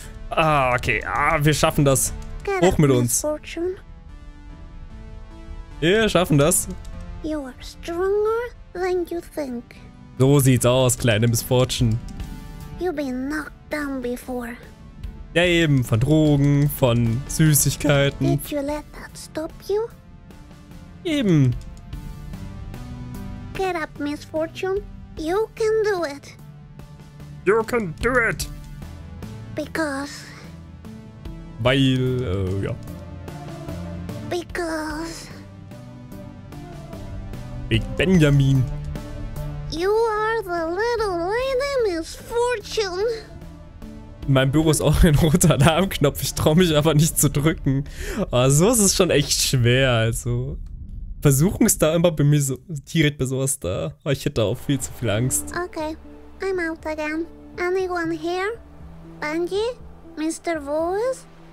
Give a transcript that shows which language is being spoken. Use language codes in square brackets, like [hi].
[de] Ah, okay. Ah, wir schaffen das. Hoch mit uns. Wir schaffen das. [en] You are stronger than you think. [de] So sieht's aus, kleine Miss Fortune. [en] You've been knocked down before. [de] Ja eben, von Drogen, von Süßigkeiten. [en] Did you let that stop you? [de] Eben. [en] Get up, Miss Fortune. You can do it. You can do it. Because. [de] Weil, ja. [en] Because. Big Benjamin. You are the little lady, Miss Fortune. [de] Mein Büro ist auch ein roter Alarmknopf. Ich trau mich aber nicht zu drücken. Aber so ist es schon echt schwer, also. Versuchen es da immer bei mir so, direkt bei sowas da. Aber ich hätte auch viel zu viel Angst. [en] Okay, I'm out again. Anyone here? Benji? Mr. Voice?